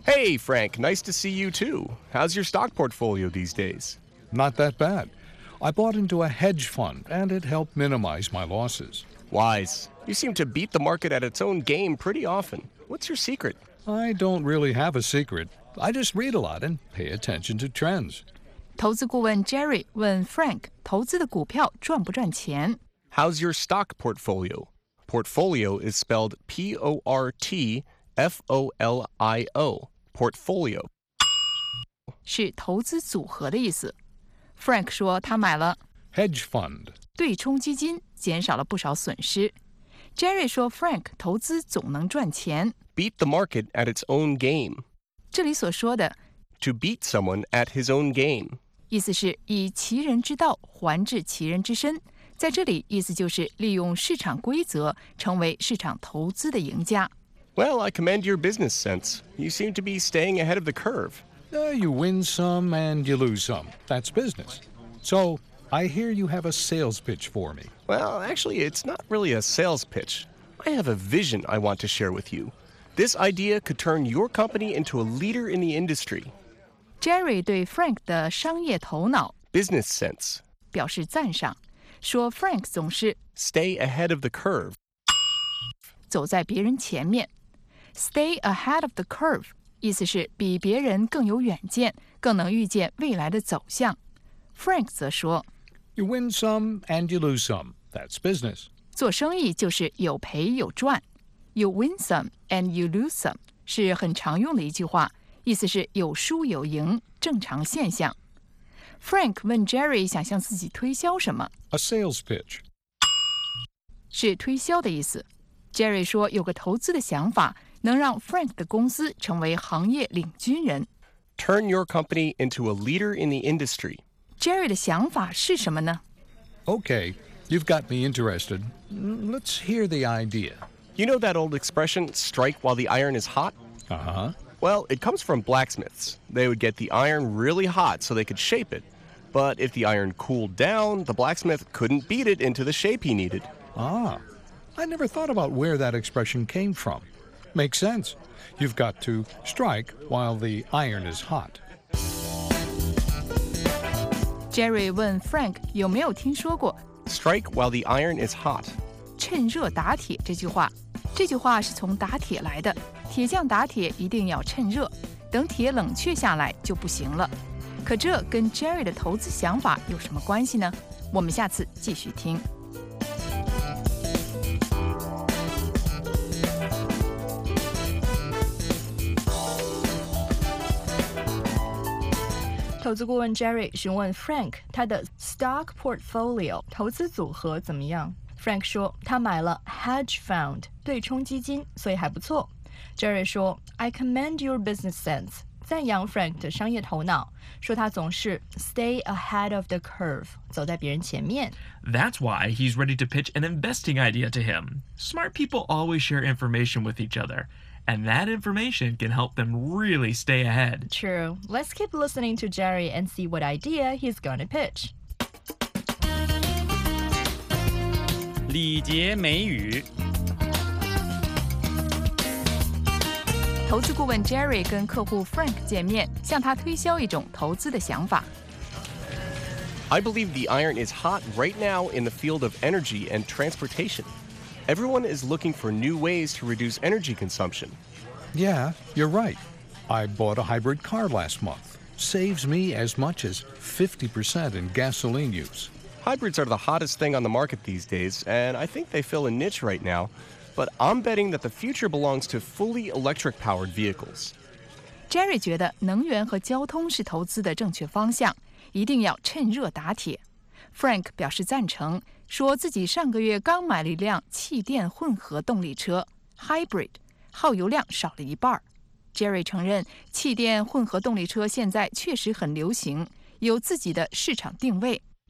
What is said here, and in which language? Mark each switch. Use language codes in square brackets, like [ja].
[en] Hey, Frank, nice to see you too. How's your stock portfolio these days? Not that bad. I bought into a hedge fund, and it helped minimize my losses. Wise. You seem to beat the market at its own game pretty often. What's your secret? I don't really have a secret. I just read a lot and pay attention to trends. [zh] 投资顾问 Jerry 问 Frank, 投资的股票赚不赚钱? [en] How's your stock portfolio? Portfolio is spelled P-O-R-T-F-O-L-I-O, portfolio. [zh] 是投资组合的意思。Frank 说他买了 [en] hedge fund, [zh] 对冲基金，减少了不少损失。Jerry 说 Frank 投资总能赚钱。 [en] Beat the market at its own game. [zh] 这里所说的 [en] to beat someone at his own game. [zh] 意思是以其人之道还治其人之身。在这里意思就是利用市场规则成为市场投资的赢家。 [en] Well, I commend your business sense. You seem to be staying ahead of the curve. You win some and you lose some. That's business. So, I hear you have a sales pitch for me. Well, actually, it's not really a sales pitch. I have a vision I want to share with you. This idea could turn your company into a leader in the industry. [zh] Jerry 对 Frank 的商业头脑 [en] business sense [zh] 表示赞赏，说 Frank 总是 [en] stay ahead of the curve [zh] 走在别人前面。 [en] Stay ahead of the curve, [zh] 意思是比别人更有远见，更能预见未来的走向。Frank 则说 [en] You win some and you lose some. That's business. [zh] 做生意就是有赔有赚。 [en] You win some and you lose some [zh] 是很常用的一句话，意思是有输有赢，正常现象。 Frank 问 Jerry 想向自己推销什么。 [en] A sales pitch [zh] 是推销的意思。 Jerry 说有个投资的想法，能让 Frank 的公司成为行业领军人。 [en] Turn your company into a leader in the industry。 [zh] Jerry 的想法是什么呢？ [en] Okay, you've got me interested. Let's hear the idea. You know that old expression, strike while the iron is hot? Uh-huh. Well, it comes from blacksmiths. They would get the iron really hot so they could shape it. But if the iron cooled down, the blacksmith couldn't beat it into the shape he needed. Ah, I never thought about where that expression came from. Makes sense. You've got to strike while the iron is hot. [zh] Jerry 问 Frank 有没有听说过 [en] Strike while the iron is hot. [zh] 趁热打铁这句话。这句话是从打铁来的，铁匠打铁一定要趁热，等铁冷却下来就不行了。可这跟 Jerry 的投资想法有什么关系呢？我们下次继续听。投资顾问 Jerry 询问 Frank 他的 stock portfolio 投资组合怎么样。 Frank 说他买了 hedge fund 对冲基金，所以还不错。 Jerry 说 [en] I commend your business sense， [zh] 赞扬 Frank 的商业头脑，说他总是 [en] stay ahead of the curve， [zh] 走在别人前面。 [en] That's why he's ready to pitch an investing idea to him. Smart people always share information with each other, and that information can help them really stay ahead. True. Let's keep listening to Jerry and see what idea he's going to pitch. [zh] 礼节美语。投资顾问 Jerry 跟客户 Frank 见面，向他推销一种投资的想法。 [en] I believe the iron is hot right now in the field of energy and transportation. Everyone is looking for new ways to reduce energy consumption. Yeah, you're right. I bought a hybrid car last month. Saves me as much as 50% in gasoline use. Hybrids are the hottest thing on the market these days, and I think they fill a niche right now. But I'm betting that the future belongs to fully electric-powered vehicles. [zh] Jerry 觉得能源和交通是投资的正确方向，一定要趁热打铁。 Frank 表示赞成，说自己上个月刚买了一辆气电混合动力车 ，hybrid， 耗油量少了一半。 Jerry 承认，气电混合动力车现在确实很流行，有自己的市场定位。